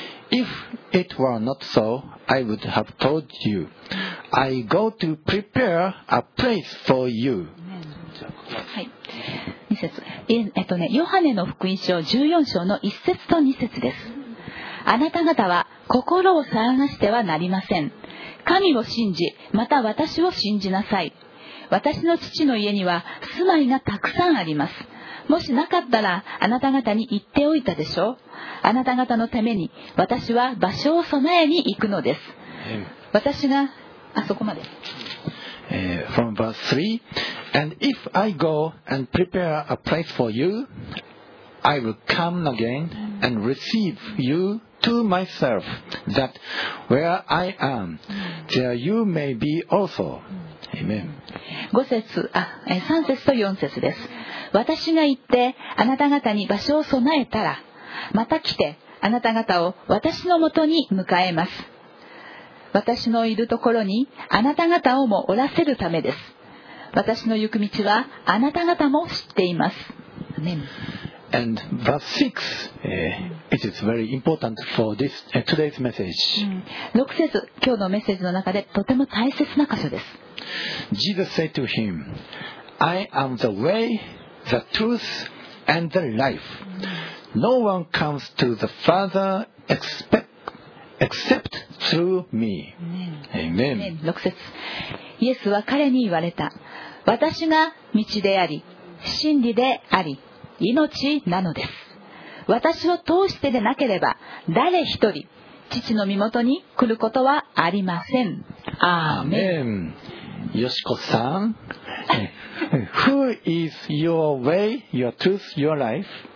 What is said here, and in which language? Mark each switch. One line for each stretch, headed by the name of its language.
English: If it were not so, I would have told you. I go to prepare a place for you.
Japanese: はい、2節、ヨハネの福音書14章の1節と2節です。あなた方は心を騒がしてはなりません。神を信じ、また私を信じなさい。私の父の家には住まいがたくさんあります。もしなかったらあなた方に言っておいたでしょう。あなた方のために私は場所を備えに行くのです。私が、あそこまで、
English: From verse 3, And if I go and prepare a place for you, I will come again and receive you to myself, that where I am, there you may be also. Amen.
Japanese: 5節、あ、3節と4節です。私が行ってあなた方に場所を備えたら、また来てあなた方を私のもとに迎えます。私のいるところにあなた方をもおらせるためです。私の行く道はあなた方も知っています。
English: Amen. And verse 6, it is very important for this, today's message.
Japanese: 6節、今日のメッセージの中でとても大切な箇所です。
English: Jesus said to him, I am the way, the truth, and the life. No one comes to the Father except through me. Amen.
Japanese: 6節、イエスは彼に言われた。私が道であり、真理であり、命なのです。私を通してでなければ、誰一人、父の身元に来ることはありません。アーメン。
English: よしこさん、Who is your way, your truth, your life?